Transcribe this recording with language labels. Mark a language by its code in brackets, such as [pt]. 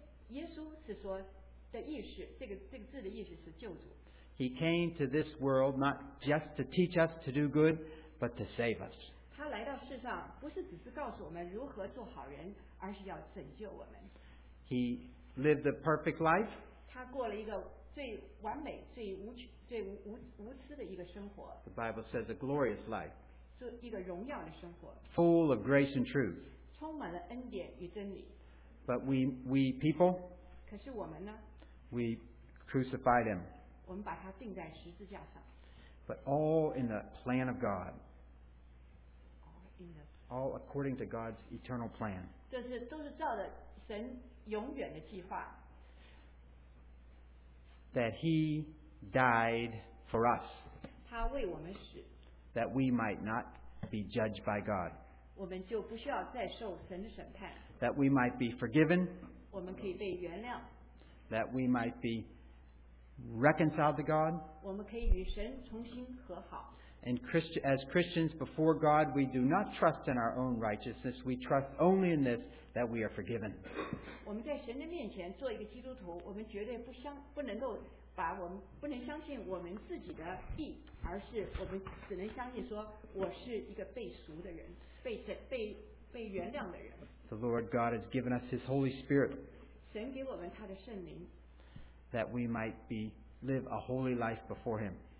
[zh] 耶稣是说的意思，这个字的意思是救主。 [en] He came to this world not just to teach us to do good, but to save us. [zh] 他来到世上不是只是告诉我们如何做好人，而是要拯救我们。 [en] He lived a perfect life. [zh] 他过了一个最完美、最无私的一个生活。 [en] The Bible says a glorious life. [zh] 一个荣耀的生活 [en] Full of grace and truth. [zh] 充满了恩典与真理 [en] But we people, [zh] 可是我们呢 [en] we crucified him. [zh] 我们把他钉在十字架上 [en] But all in the plan of God. All according to God's eternal plan. [zh] 都是照着神永远的计划 [en] That he died for us. [zh] 他为我们死 [en] That we might not be judged by God. [zh] 我们就不需要再受神的审判。 [en] That we might be forgiven. [zh] 我们可以被原谅。 [en] That we might be reconciled to God. [zh] 我们可以与神重新和好。 [en] And as Christians before God, we do not trust in our own righteousness. We trust only in this, that we are forgiven. The Lord God has given us His Holy Spirit, that we might live a holy life before Him.